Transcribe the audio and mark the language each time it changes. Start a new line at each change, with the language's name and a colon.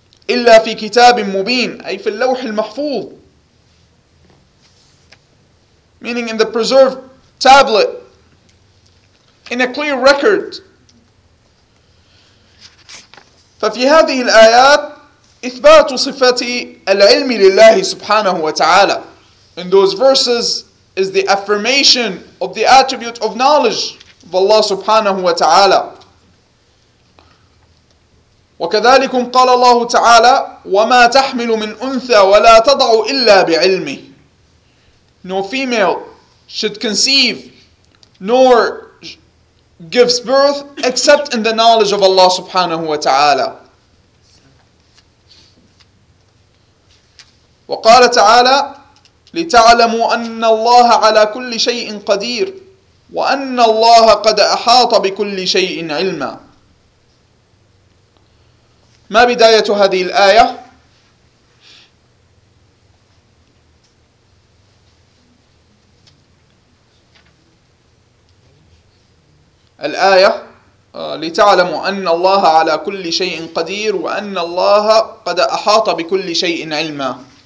Arabic: إلا في كتاب مبين, أي في اللوح المحفوظ,
English: meaning in the preserved tablet, in a clear record.
Arabic: ففي هذه الآيات إثبات صفة العلم لله سبحانه وتعالى.
English: In those verses is the affirmation of the attribute of knowledge of Allah سبحانه وتعالى.
Arabic: وكذلك قال الله تعالى وما تحمل من أنثى ولا تضع إلا بعلمه.
English: No female should conceive nor gives birth except in the knowledge of Allah سبحانه وتعالى.
Arabic: وقال تعالى لتعلموا أن الله على كل شيء قدير وأن الله قد أحاط بكل شيء علما. ما بداية هذه الآية؟ الآية لتعلموا أن الله على كل شيء قدير وأن الله قد أحاط بكل شيء علما.